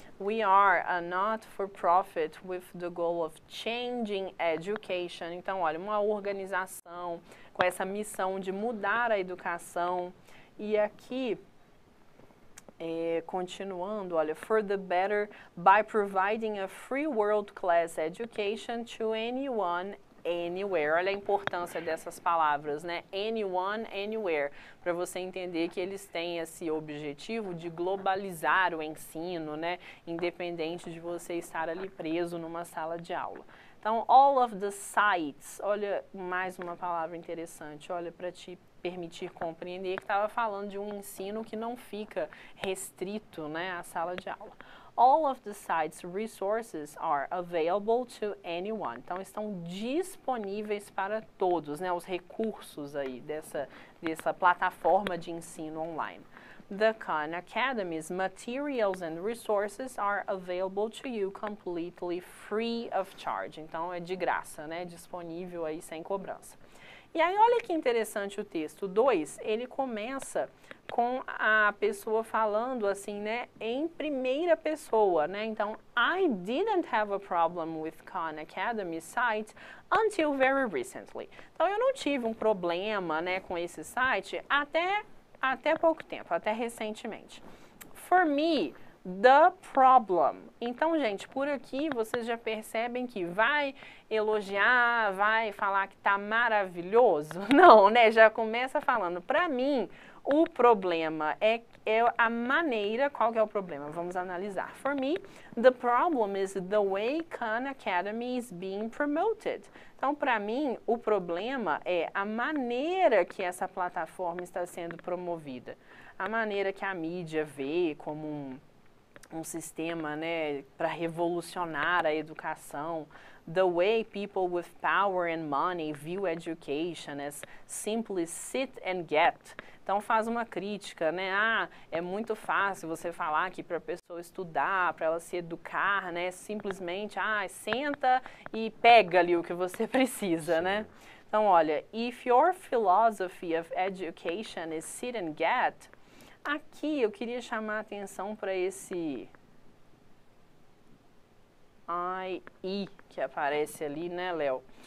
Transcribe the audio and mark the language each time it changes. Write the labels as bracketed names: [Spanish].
[English] We are a not-for-profit with the goal of changing education. [Portuguese] Então, olha, uma organização com essa missão de mudar a educação. E aqui, continuando, olha, [English] for the better by providing a free world-class education to anyone, anywhere. [Portuguese] Olha a importância dessas palavras, né? [English] Anyone, anywhere. [Portuguese] Para você entender que eles têm esse objetivo de globalizar o ensino, né? Independente de você estar ali preso numa sala de aula. Então, [English] all of the sites. [Portuguese] Olha, mais uma palavra interessante. Olha, para te permitir compreender que estava falando de um ensino que não fica restrito, né, à sala de aula. [English] All of the site's resources are available to anyone. [Portuguese] Então, estão disponíveis para todos, né, os recursos aí dessa plataforma de ensino online. [English] The Khan Academy's materials and resources are available to you completely free of charge. [Portuguese] Então, é de graça, né, disponível aí sem cobrança. E aí, olha que interessante o texto 2, ele começa com a pessoa falando assim, né, em primeira pessoa, né? [English] Então, I didn't have a problem with Khan Academy site until very recently. [Portuguese] Então, eu não tive um problema, né, com esse site até pouco tempo, até recentemente. [English] For me, the problem. [Portuguese] Então, gente, por aqui vocês já percebem que vai elogiar, vai falar que tá maravilhoso? Não, né? Já começa falando. Para mim, o problema é a maneira. Qual que é o problema? Vamos analisar. [English] For me, the problem is the way Khan Academy is being promoted. [Portuguese] Então, para mim, o problema é a maneira que essa plataforma está sendo promovida. A maneira que a mídia vê como um sistema, né, para revolucionar a educação. [English] The way people with power and money view education as simply sit and get. [Portuguese] Então faz uma crítica, né? Ah, é muito fácil você falar que para a pessoa estudar, para ela se educar, né? Simplesmente, ah, senta e pega ali o que você precisa, sim, né? Então olha, [English] if your philosophy of education is sit and get, [Portuguese] aqui eu queria chamar a atenção para esse IE que aparece ali, né, Léo?